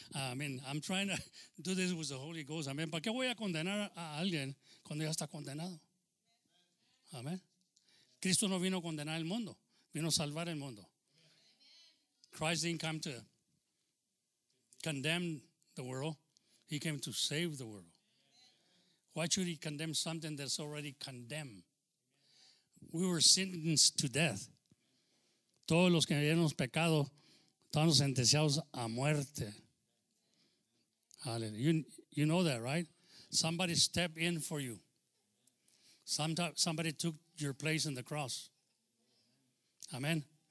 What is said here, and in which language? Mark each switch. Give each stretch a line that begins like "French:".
English: I mean, I'm trying to do this with the Holy Ghost. I mean,
Spanish: ¿para qué voy a condenar a alguien cuando ya está condenado? Amén. Cristo no vino a condenar el mundo, vino a salvar el mundo.
English: Christ didn't come to condemn the world, he came to save the world. Why should he condemn something that's already condemned? We were sentenced to death.
Spanish: Todos los que habíamos pecado, estábamos sentenciados a muerte.
English: Hallelujah. You know that, right? Somebody stepped in for you. Somebody took your place in the cross. Amen.